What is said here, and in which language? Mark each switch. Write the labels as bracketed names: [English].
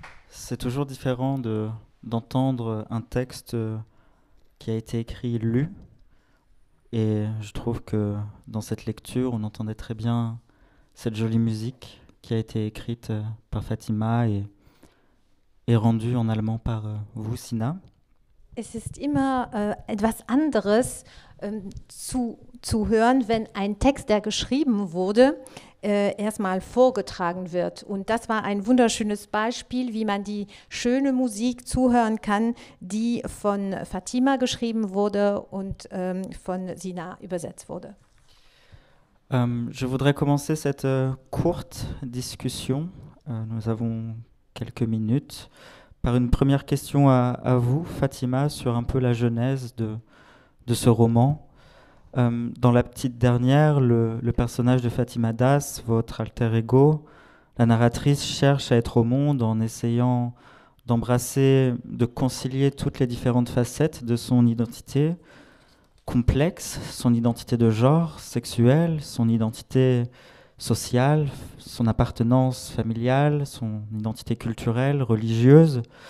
[French] C'est toujours différent d'entendre un texte qui a été écrit, lu, Et je trouve que dans cette lecture, on entendait très bien cette jolie musique qui a été écrite par Fatima et rendue en allemand par vous, Sina. [German] Es ist immer etwas anderes zu hören, wenn ein Text, der geschrieben wurde, erstmal vorgetragen wird. Und das war ein wunderschönes Beispiel, wie man die schöne Musik zuhören kann, die von Fatima geschrieben wurde und von Sina übersetzt wurde. [French] Je voudrais commencer cette courte discussion, nous avons quelques minutes, par une première question à vous, Fatima, sur un peu la genèse de ce roman. Dans La Petite Dernière, le personnage de Fatima Das, votre alter ego, la narratrice cherche à être au monde en essayant d'embrasser, de concilier toutes les différentes facettes de son identité complexe, son identité de genre, sexuelle, son identité sociale, son appartenance familiale, son identité culturelle, religieuse.